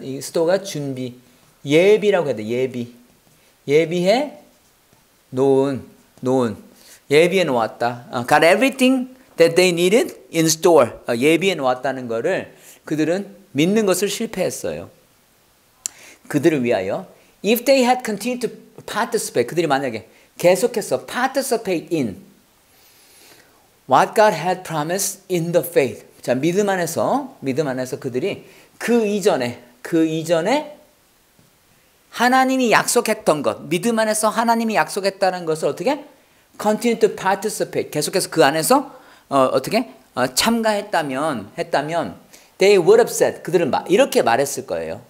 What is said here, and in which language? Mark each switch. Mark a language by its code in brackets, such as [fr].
[ko] store가 준비. 예비라고 해야 돼. 예비. 예비해 놓은. 예비해 놓았다. [en] got everything that they needed in store. [ko] 예비해 놓았다는 거를 그들은 믿는 것을 실패했어요. 그들을 위하여. [en] If they had continued to participate, [ko] 그들이 만약에 계속해서 [en] participate in what God had promised in the faith. [ko] 자, 믿음 안에서 그들이 그 이전에 하나님이 약속했던 것, 믿음 안에서 하나님이 약속했다는 것을 어떻게? [en] continue to participate. [ko] 계속해서 그 안에서 참가했다면, [en] they would have said, [ko] 그들은 이렇게 말했을 거예요.